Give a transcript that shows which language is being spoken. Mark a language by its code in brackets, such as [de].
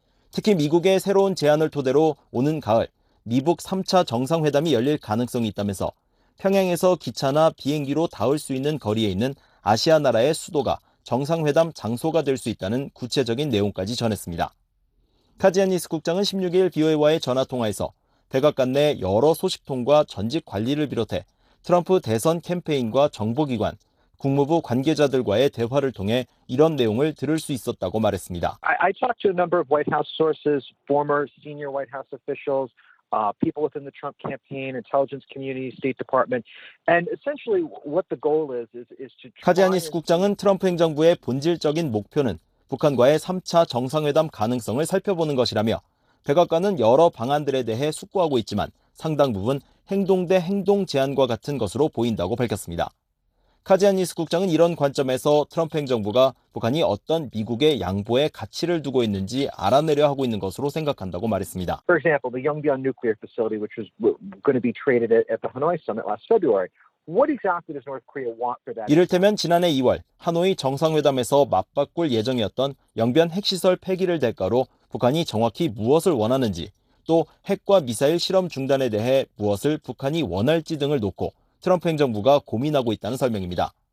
[ko] 특히 미국의 새로운 제안을 토대로 오는 가을 미북 3차 정상회담이 열릴 가능성이 있다면서 평양에서 기차나 비행기로 닿을 수 있는 거리에 있는 아시아 나라의 수도가 정상회담 장소가 될 수 있다는 구체적인 내용까지 전했습니다. 카지아니스 국장은 16일 BOA와의 전화통화에서 백악관 내 여러 소식통과 전직 관리를 비롯해 트럼프 대선 캠페인과 정보기관, 국무부 관계자들과의 대화를 통해 이런 내용을 들을 수 있었다고 말했습니다. [en] I talked to a number of White House sources, former senior White House officials, people within the Trump campaign, intelligence community, State Department, and essentially what the goal is to. [ko] 카지아니스 국장은 트럼프 행정부의 본질적인 목표는 북한과의 3차 정상회담 가능성을 살펴보는 것이라며 백악관은 여러 방안들에 대해 숙고하고 있지만 상당 부분 행동 대 행동 제안과 같은 것으로 보인다고 밝혔습니다. 카지아니스 국장은 이런 관점에서 트럼프 행정부가 북한이 어떤 미국의 양보에 가치를 두고 있는지 알아내려 하고 있는 것으로 생각한다고 말했습니다. [en] For example, the Yongbyon nuclear facility which was going to be traded at the Hanoi summit last February. What exactly does North Korea want for that? [ko] 이를테면 지난해 2월 하노이 정상회담에서 맞바꿀 예정이었던 영변 핵시설 폐기를 대가로 북한이 정확히 무엇을 원하는지, 또 핵과 미사일 실험 중단에 대해 무엇을 북한이 원할지 등을 놓고 트럼프 행정부가 고민하고 있다는 설명입니다.